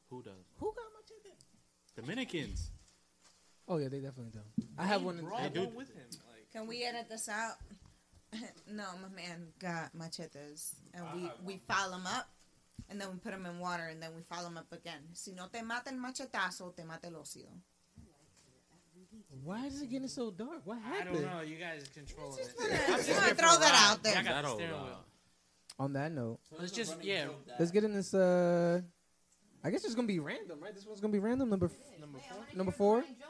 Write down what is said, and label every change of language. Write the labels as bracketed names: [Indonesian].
[English] Who does? Who got my check in? Dominicans. Oh yeah, they definitely do. I have one. They do with him. Like, can we edit this out? No, my man got machetes, and we file them up. And then we put them in water, and then we follow them up again. [Spanish] Si no te mata el machetazo, te mata el ocio. [English] Why is it getting so dark? What happened? I don't know. You guys control it. I'm just gonna throw that out there. Yeah, I got on that note, let's get in this. I guess it's gonna be random, right? This one's gonna be random. Number four. Joke,